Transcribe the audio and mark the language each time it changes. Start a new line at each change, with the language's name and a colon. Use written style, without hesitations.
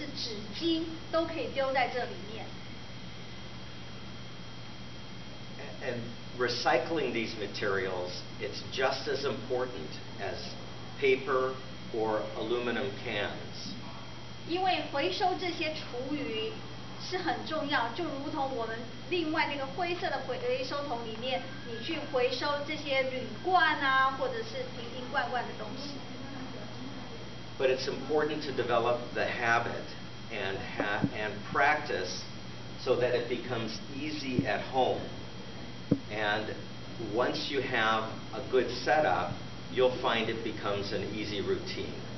Chinese: 只要能够分解的，比如说纸盘或者是纸巾，都可以丢在这里面。
English: And recycling these materials, it's just as important as paper or aluminum cans.
Chinese: 因为回收这些厨余是很重要，就如同我们另外那个灰色的回收桶里面，你去回收这些铝罐啊，或者是瓶瓶罐罐的东西。
English: But it's important to develop the habit and practice so that it becomes easy at home. And once you have a good setup, you'll find it becomes an easy routine.